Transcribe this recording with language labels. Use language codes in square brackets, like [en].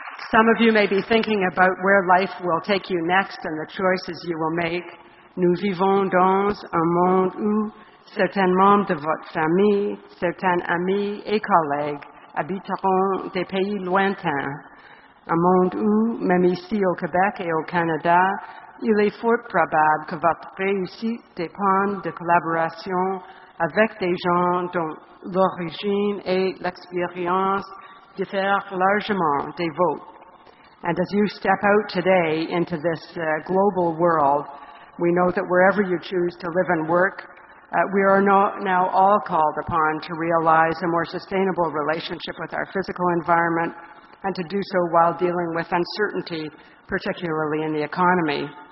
[en] Some of you may be thinking about where life will take you next and the choices you will make. [fr] Nous vivons dans un monde où certains membres de votre famille, certains amis et collègues habiteront des pays lointains. Un monde où, même ici au Québec et au Canada, il est fort probable que votre réussite dépende de collaboration avec des gens dont l'origine et l'expérience diffèrent largement des vôtres. [en] And as you step out today into this global world, we know that wherever you choose to live and work, we are now all called upon to realize a more sustainable relationship with our physical environment and to do so while dealing with uncertainty, particularly in the economy.